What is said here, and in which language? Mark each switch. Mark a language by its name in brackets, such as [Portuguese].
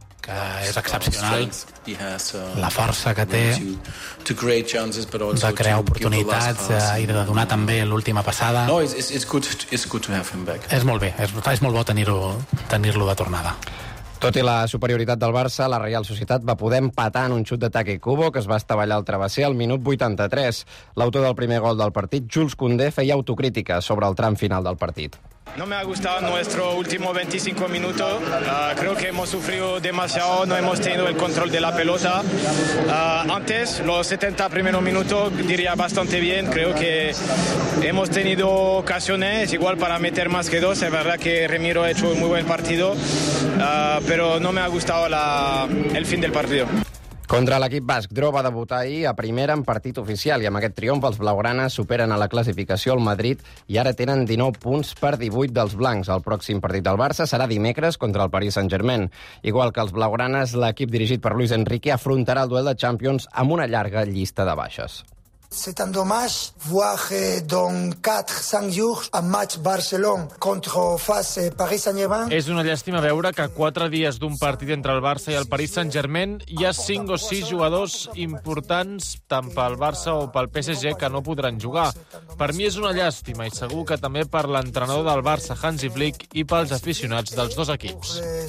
[Catalan] Que és excepcional la força que té de crear oportunitats i de donar també l'última passada. És molt bé, és molt bo tenir-lo de tornada. Tot i la superioritat del Barça, la Reial Societat va poder empatar en un xut d'ataque Kubo que es va estavellar al travesser al minut 83. L'autor del primer gol del partit, Jules Koundé, feia autocrítica sobre el tram final del partit. [Spanish] No me ha gustado nuestro último 25 minutos. Creo que hemos sufrido demasiado, no hemos tenido el control de la pelota. Antes, los 70 primeros minutos, diría bastante bien. Creo que hemos tenido ocasiones, igual para meter más que dos. Es verdad que Ramiro ha hecho un muy buen partido, pero no me ha gustado el fin del partido. [Catalan] Contra l'equip basc, Dro va debutar ahir a primera en partit oficial i amb aquest triomf els blaugranes superen a la classificació el Madrid i ara tenen 19 punts per 18 dels blancs. El pròxim partit del Barça serà dimecres contra el Paris Saint-Germain. Igual que els blaugranes, l'equip dirigit per Luis Enrique afrontarà el duel de Champions amb una llarga llista de baixes. [French] C'est un dommage voir dans 4-5 jours un match Barcelona contre face Paris Saint-Germain. [Catalan] És una llàstima veure que 4 dies d'un partit entre el Barça i el Paris Saint-Germain hi ha 5 o 6 jugadors importants tant pel Barça o pel PSG que no podran jugar. Per mi és una llàstima i segur que també per l'entrenador del Barça, Hansi Flick, i pels aficionats dels dos equips.